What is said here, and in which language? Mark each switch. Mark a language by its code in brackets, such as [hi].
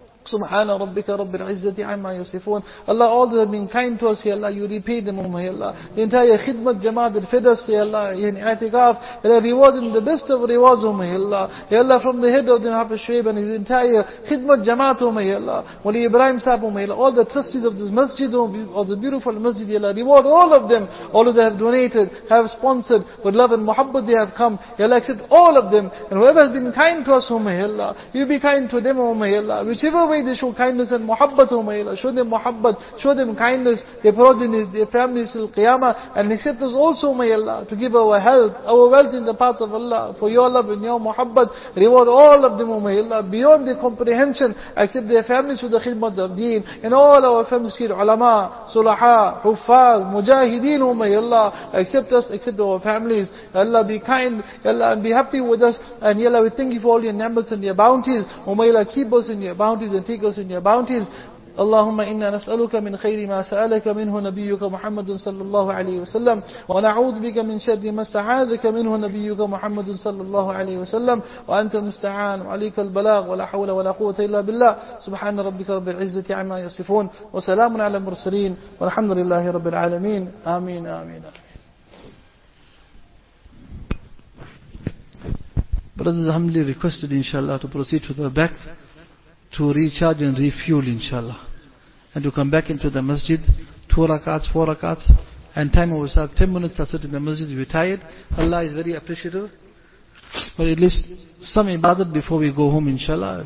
[ar] سبحان ربك رب العزة عما يصفون. [en] Allah, all that have been kind to us, Ya Allah, you repay them, O my Allah. The entire khidmat jamaat that fed us, Ya Allah, in i'tikaf, Ya Allah, reward them the best of rewards, O my Allah. Ya Allah, from the head of the Hafiz Shuaib and his entire khidmat jamaat, O my Allah. Wali Ibrahim Sahib, O my Allah, all the trustees of this masjid, of the beautiful masjid, Ya Allah, reward all of them, all of them have donated, have sponsored, with love and muhabbat they have come, Ya Allah, accept all of them, and whoever has been kind to us, O my Allah, you be kind to them, O my Allah. Whichever way they show kindness and muhabbat, O my Allah. Show them muhabbat, show them kindness, their progenies, their families till Qiyamah, and accept us also, O my Allah, to give our health, our wealth in the path of Allah for your love and your muhabbat. Reward all of them, O my Allah, beyond their comprehension. Accept their families with the khidmat of deen, and all our families here, ulama, sulaha, huffaz, mujahideen, O my Allah. Accept us, accept our families. Allah, be kind, Allah, and be happy with us. And Allah, we thank you for all your ni'mats and your bounties. O my Allah, keep us in your bounties and take us in your bounties. [ar] اللهم إنا نسألك من خير ما سألك منه نبيك محمد صلى الله عليه وسلم ونعوذ بك من شر ما استعاذك منه نبيك محمد صلى الله عليه وسلم وأنت المستعان وعليك البلاغ ولا حول ولا قوة إلا بالله سبحان ربك رب العزة عما يصفون وسلام على المرسلين والحمد لله رب العالمين آمين آمين. [en] Brothers, humbly requested inshallah to proceed to the back to recharge and refuel inshallah, and to come back into the masjid, 2 rakats, 4 rakats, and time over itself, 10 minutes to sit in the masjid, we're tired. Allah is very appreciative, but at least some ibadat before we go home inshallah.